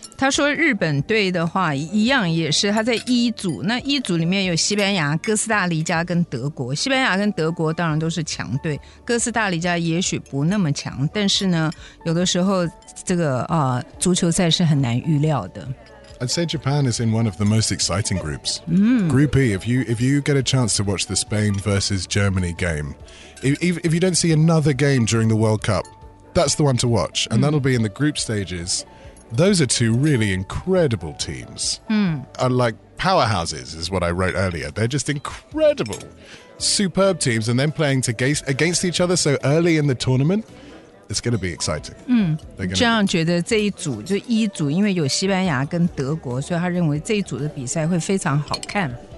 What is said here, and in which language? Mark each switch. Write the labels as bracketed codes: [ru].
[zh] 他说日本队的话一样也是他在一组，那一组里面有西班牙、哥斯达黎加跟德国。西班牙跟德国当然都是强队，哥斯达黎加也许不那么强，但是呢有的时候这个足球赛是很难预料的。 [en] I'd say Japan is in one of the most exciting groups. Group E, if you get a chance to watch the Spain versus Germany game, if you don't see another game during the World Cup, that's the one to watch, and that'll be in the group stages. Those are two really incredible teams. Are like powerhouses, is what I wrote earlier. They're just incredible, superb teams, and then playing against each other so early in the tournament, it's going to be exciting. [zh] John 觉得这一组就一组，因为有西班牙跟德国，所以他认为这一组的比赛会非常好看。